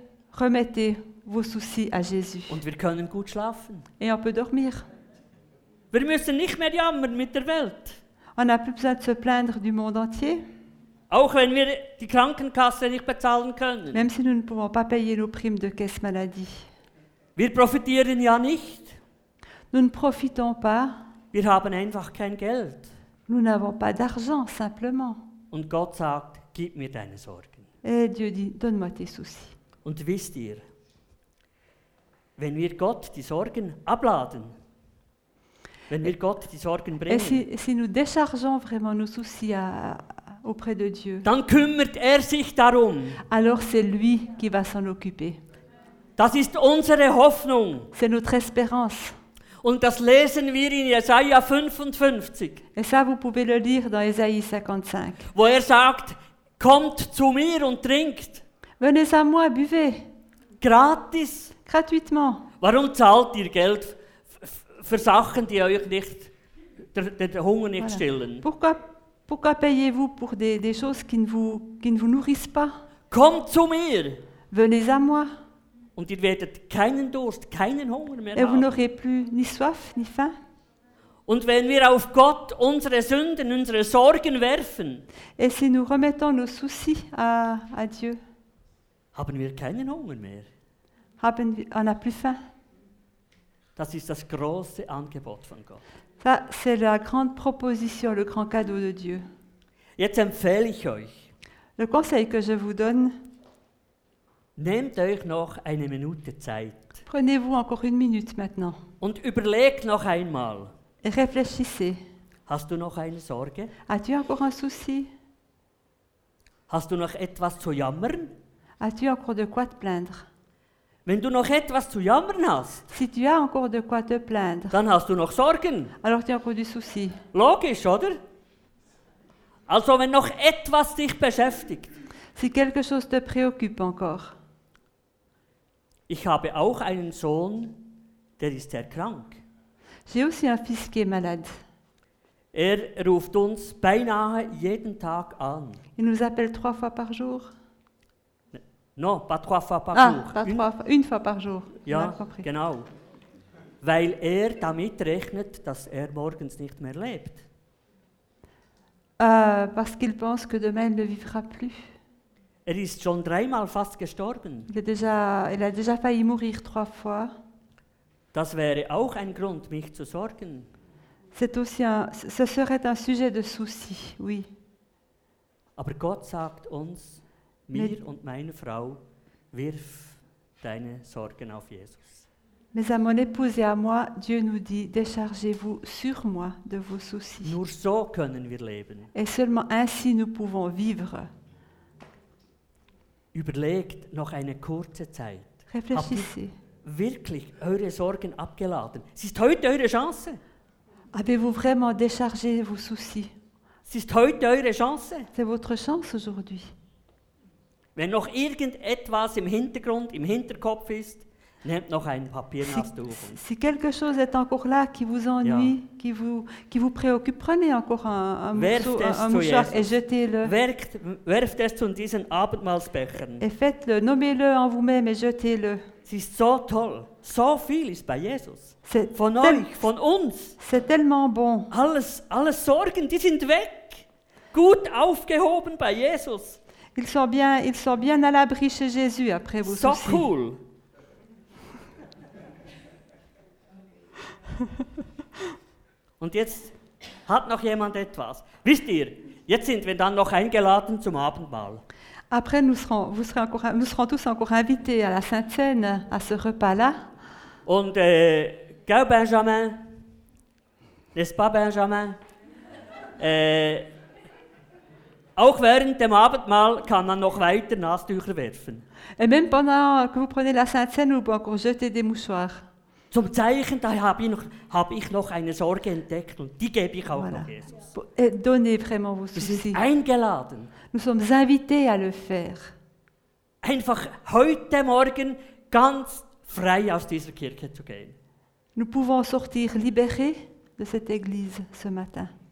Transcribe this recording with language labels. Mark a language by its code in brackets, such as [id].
[fr] Remettez vos soucis à Jésus. [de] Und wir können gut schlafen. [fr] Et on peut dormir. [de] Wir müssen nicht mehr jammern mit der Welt. [fr] On n'a plus besoin de se plaindre du monde entier. [de] Auch wenn wir die Krankenkasse nicht bezahlen können. [fr] Même si nous ne pouvons pas payer nos primes de caisse maladie. [de] Wir profitieren ja nicht. [fr] Nous ne profitons pas. [de] Wir haben einfach kein Geld. [fr] Nous n'avons pas d'argent, simplement. [de] Und Gott sagt, gib mir deine Sorgen. [fr] Et Dieu dit, donne-moi tes soucis. [de] Und wisst ihr, wenn wir Gott die Sorgen abladen, wenn wir Gott die Sorgen bringen, [fr] si nous déchargeons vraiment nos soucis auprès de Dieu, [de] dann kümmert er sich darum. [fr] Alors c'est lui qui va s'en occuper. [de] Das ist unsere Hoffnung. [fr] C'est notre espérance. [de] Und das lesen wir in Jesaja 55. [fr] Et ça, vous pouvez le lire dans Esaïe 55. [de] Wo er sagt, kommt zu mir und trinkt. [fr] Venez à moi, buvez. [de] Gratis. [fr] Gratuitement. [de] Warum zahlt ihr Geld für Sachen, die euch nicht den Hunger nicht voilà. Stillen? [fr] Pourquoi payez-vous pour des choses qui ne vous nourrissent pas? [de] Kommt zu mir. [fr] Venez à moi. [de] Und ihr werdet keinen Durst, keinen Hunger mehr [fr] Et [de] haben. [fr] Vous n'aurez plus ni soif ni faim. [de] Und wenn wir auf Gott unsere Sünden, unsere Sorgen werfen. [fr] Et si nous remettons nos soucis à Dieu. [de] Haben wir keinen Hunger mehr? [fr] On a plus faim? [de] Das ist das große Angebot von Gott. [fr] Ça, c'est la grande proposition, le grand cadeau de Dieu. [de] Jetzt empfehle ich euch. [fr] Le conseil que je vous donne. [de] Nehmt euch noch eine Minute Zeit. [fr] Prenez-vous encore une minute maintenant. [de] Und überlegt noch einmal. [fr] Et réfléchissez. [de] Hast du noch eine Sorge? [fr] As-tu encore un souci? [de] Hast du noch etwas zu jammern? [fr] As-tu encore de quoi te plaindre? [de] Wenn du noch etwas zu jammern hast, [fr] si tu as encore de quoi te plaindre, [de] dann hast du noch Sorgen. [fr] Alors tu as encore du souci. [de] Logisch, oder? Also wenn noch etwas dich beschäftigt. [fr] Si quelque chose te préoccupe encore. [de] Ich habe auch einen Sohn, der ist sehr krank. [fr] J'ai aussi un fils qui est malade. [de] Er ruft uns beinahe jeden Tag an. [fr] Il nous appelle trois fois par jour. Non, pas trois fois par une fois par jour. [de] Ja, genau. Weil er damit rechnet, dass er morgens nicht mehr lebt. [fr] Parce qu'il pense que demain il ne vivra plus. [de] Er ist schon dreimal fast gestorben. [fr] Il a déjà failli mourir trois fois. [de] Das wäre auch ein Grund, mich zu sorgen. [fr] C'est aussi un, ce serait un sujet de souci, oui. [de] Aber Gott sagt uns, mir und meiner Frau, wirf deine Sorgen auf Jesus. [fr] Mais à mon épouse et à moi, Dieu nous dit, déchargez-vous sur moi de vos soucis. [de] Nur so können wir leben. [fr] Et seulement ainsi nous pouvons vivre. [de] Überlegt noch eine kurze Zeit. [fr] Réfléchissez. [de] Wirklich eure Sorgen abgeladen. Es ist heute eure Chance. [fr] Avez-vous vraiment déchargé vos soucis? [de] Es ist heute eure Chance. [fr] C'est votre chance aujourd'hui. [de] Wenn noch irgendetwas im Hintergrund, im Hinterkopf ist, nehmt noch ein Papier nach Tuch. [fr] Si quelque chose est encore là qui vous ennuie, ja, qui vous préoccupe, prenez encore un mouchoir et jetez-le. [de] Werft es zu diesen Abendmahlsbechern. [fr] Et faites-le, nommez-le en vous-même et jetez-le. [de] Es ist so toll, so viel ist bei Jesus. Euch, von uns. [fr] C'est tellement bon. [de] Alles Sorgen, die sind weg. Gut aufgehoben bei Jesus. [fr] Ils sont bien à l'abri chez Jésus après vos [de] so [fr] soucis. [de] So cool. Und jetzt hat noch jemand etwas. Wisst ihr, jetzt sind wir dann noch eingeladen zum Abendmahl. [fr] Après, nous serons tous encore invités à la Sainte-Seine, à ce repas-là. [de] Und, gell, Benjamin? [fr] N'est-ce pas, Benjamin? [de] Auch während dem Abendmahl kann man noch weiter Nastücher werfen. [fr] Et même pendant que vous prenez la Sainte-Seine, vous pouvez encore jeter des mouchoirs. [de] Zum Zeichen, da habe ich noch eine Sorge entdeckt und die gebe ich auch noch Jesus. [fr] Et donnez vraiment vos soucis. [de] Wir sind eingeladen. [fr] Nous sommes invités à le faire. [de] Einfach heute Morgen ganz frei aus dieser Kirche zu gehen. [fr] Nous pouvons sortir libérés de cette église ce matin.